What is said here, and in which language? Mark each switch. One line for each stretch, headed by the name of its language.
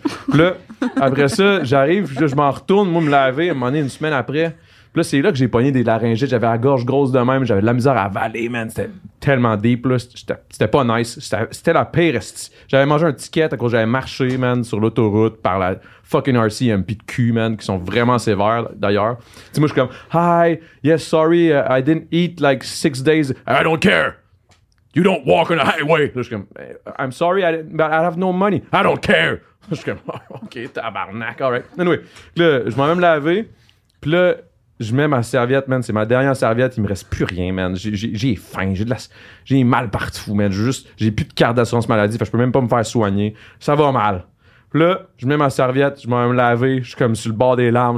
French: Puis là, après ça, j'arrive, je m'en retourne, moi, me laver, à un moment donné, une semaine après. Puis là, c'est là que j'ai pogné des laryngites. J'avais la gorge grosse de même, j'avais de la misère à avaler, man. C'était tellement deep, là. C'était pas nice. C'était la pire. J'avais mangé un ticket à cause que j'avais marché, man, sur l'autoroute par la fucking RCMP de cul, man, qui sont vraiment sévères, là, d'ailleurs. Tu sais, moi, je suis comme,
English: hi, yes, sorry, I didn't eat like 6 days. I don't care. You don't walk on a highway.
French: Là, je suis comme,
English: I'm sorry, but I have no money. I don't care.
French: Là, je suis comme,
English: OK, tabarnak, all right.
French: Anyway, là, je m'en vais me laver. Puis là, je mets ma serviette, man. C'est ma dernière serviette. Il me reste plus rien, man. J'ai faim. J'ai mal partout, man. J'ai plus de carte d'assurance maladie. Fait que je peux même pas me faire soigner. Ça va mal. Puis là, je mets ma serviette. Je m'en vais me laver. Je suis comme sur le bord des larmes.